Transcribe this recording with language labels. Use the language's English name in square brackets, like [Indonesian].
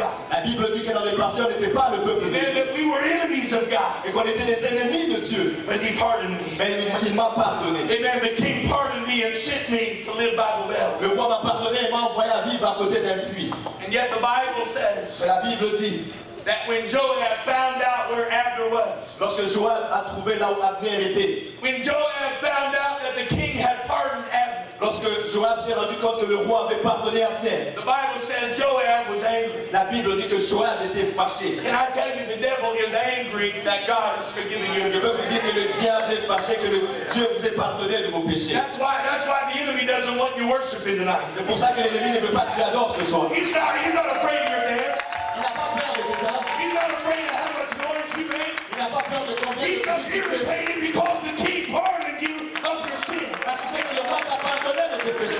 [French] La Bible dit que dans les passés, on n'était pas le peuple de Dieu. [English] We were enemies of God. [French] Et qu'on était des ennemis de Dieu. [English] But he pardoned me. [French] Mais il m'a pardonné. [English] Amen. The king pardoned me and sent me to live by the well. [French] Le roi m'a pardonné et m'a envoyé à vivre à côté d'un puits. [English] And yet the Bible says, [French] la Bible dit, [English] that when Joab found out where Abner was, [French] lorsque Joab a trouvé là où Abner était, [English] when Joab found out that the king had pardoned Abner, [French] lorsque Joab s'est rendu compte que le roi avait pardonné Abner, [English] the Bible says Joab was angry. [French] La Bible dit que Joab était fâché. [English] Can I tell you the devil is angry that God is forgiving you? [French] Je veux vous dire que le diable est fâché que Dieu vous ait pardonné de vos péchés. [English] That's why the enemy doesn't want you worshiping tonight. [French] C'est pour ça que l'ennemi ne veut pas que tu adores ce soir. [English] He's not afraid of your dance. [French] Il n'a pas peur de tes danses. [English] He's not afraid of how much noise you make. [French] Il n'a pas peur de ton bruit. [English] He's just irritated because the king pardoned you of your sin. [French] Parce que c'est que le roi t'a pardonné de tes péchés.